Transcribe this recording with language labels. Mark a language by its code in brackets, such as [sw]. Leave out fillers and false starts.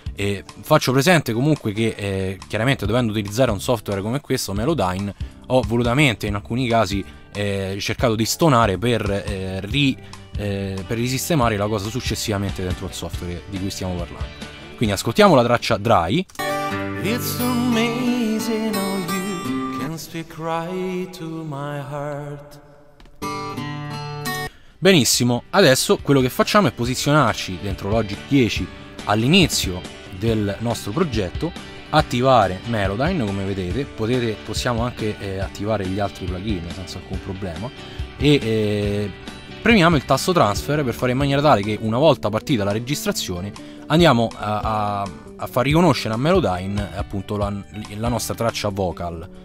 [it] E faccio presente comunque che chiaramente, dovendo utilizzare un software come questo, Melodyne, ho volutamente in alcuni casi cercato di stonare per risistemare la cosa successivamente dentro il software di cui stiamo parlando. Quindi ascoltiamo la traccia dry. [en] It's amazing how you can speak right to my heart. [it] Benissimo, adesso quello che facciamo è posizionarci dentro Logic 10 all'inizio del nostro progetto, attivare Melodyne, come vedete possiamo anche attivare gli altri plugin senza alcun problema, e premiamo il tasto transfer per fare in maniera tale che, una volta partita la registrazione, andiamo a far riconoscere a Melodyne appunto la nostra traccia vocal.